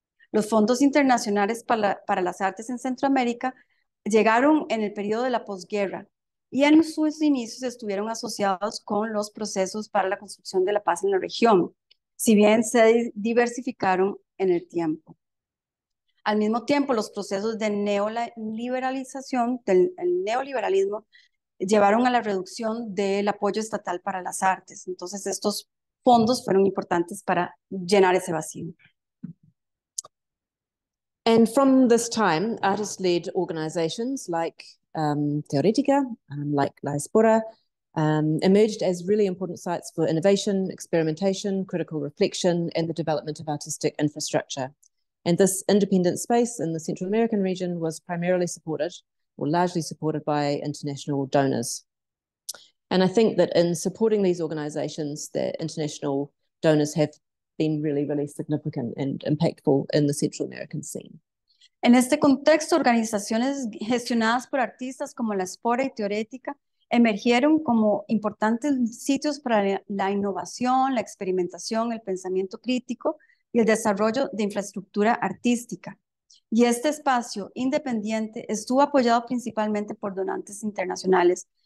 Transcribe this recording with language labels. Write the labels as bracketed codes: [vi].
[es] Los fondos internacionales para las artes en Centroamérica llegaron en el periodo de la posguerra y en sus inicios estuvieron asociados con los procesos para la construcción de la paz en la región, si bien se diversificaron en el tiempo. Al mismo tiempo, los procesos de neoliberalización, del neoliberalismo, llevaron a la reducción del apoyo estatal para las artes. Entonces, estos fondos fueron importantes para llenar ese vacío. [en] And from this time, artist-led organizations like Teoretica, like La Espora, emerged as really important sites for innovation, experimentation, critical reflection, and the development of artistic infrastructure. And this independent space in the Central American region was primarily supported, or largely supported, by international donors. And I think that in supporting these organizations, the international donors have been really, really significant and impactful in the Central American scene. [es] En este contexto, organizaciones gestionadas por artistas como La Espora y Teoretica emergieron como importantes sitios para la innovación, la experimentación, el pensamiento crítico y el desarrollo de infraestructura artística. Y este espacio independiente estuvo apoyado principalmente por donantes internacionales.